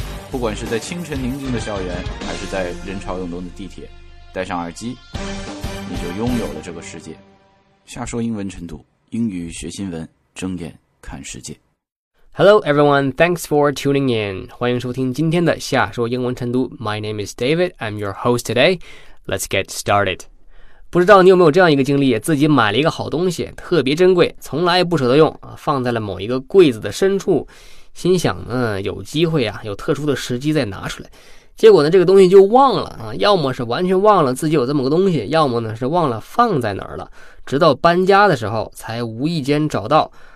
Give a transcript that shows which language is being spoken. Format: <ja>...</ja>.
<zh>不管是在清晨宁静的校园，还是在人潮涌动的地铁，戴上耳机，你就拥有了这个世界。下说英文晨读，英语学新闻，睁眼看世界。</zh> <en>Hello everyone, thanks for tuning in.</en> <zh>欢迎收听今天的下说英文晨读。</zh> <en>My name is David, I'm your host today. Let's get started.</en> <zh>不知道你有没有这样一个经历，自己买了一个好东西，特别珍贵，从来不舍得用，放在了某一个柜子的深处，心想呢，有机会啊，有特殊的时机再拿出来。结果呢，这个东西就忘了，要么是完全忘了自己有这么个东西，要么呢是忘了放在哪儿了，直到搬家的时候才无意间找到。</zh>